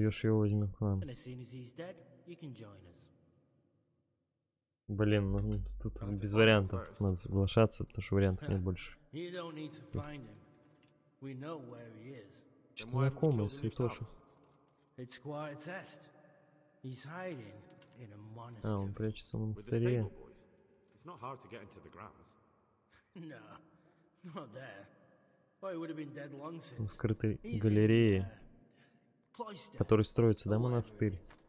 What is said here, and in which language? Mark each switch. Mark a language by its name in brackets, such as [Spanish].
[English] And as soon as he's dead, you can join us. [Russian] Блин, ну тут без вариантов. Надо соглашаться, потому что вариантов нет больше. [English] You don't need to find him. We know where he is. [Russian] Что-то знакомое, святоша. [English] It's quite a test. He's hiding in a monastery. [Russian] А, он прячется в монастыре. [English] It's not hard to get into the grounds. No, not there. Oh, it would have been dead long since. [Russian] В скрытой галерее, который строится, да, монастырь.